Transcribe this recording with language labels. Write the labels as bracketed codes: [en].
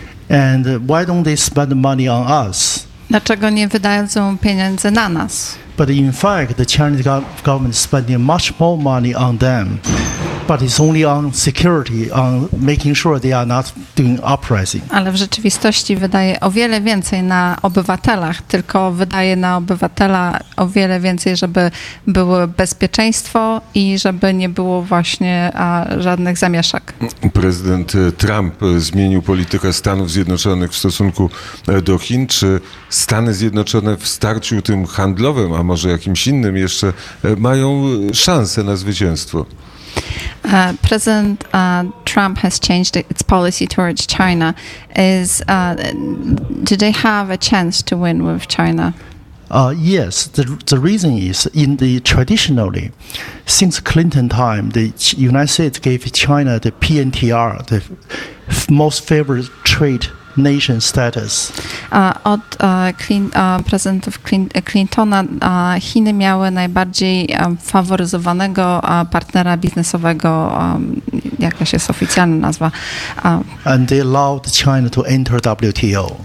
[en] And why don't they spend money on us? [pl] Dlaczego nie wydają pieniędzy na nas? [en] But in fact, the Chinese government is spending much more money on them, but it's only on security, on making sure they are not doing uprising. [pl] Ale w rzeczywistości wydaje o wiele więcej na obywatelach, tylko wydaje na obywatela o wiele więcej, żeby było bezpieczeństwo i żeby nie było właśnie żadnych zamieszek. Prezydent Trump zmienił politykę Stanów Zjednoczonych w stosunku do Chin. Czy Stany Zjednoczone w starciu tym handlowym, a może jakimś innym jeszcze, mają szansę na zwycięstwo? [en] President Trump has changed its policy towards China. Is do they have a chance to win with China? Yes. The reason is in the traditionally, since Clinton time, the United States gave China the PNTR, the most favored trade nation status. [pl] Od prezydentów Clintona Chiny miały najbardziej faworyzowanego partnera biznesowego, jak to się oficjalnie nazywa. [en] And they allowed China to enter WTO.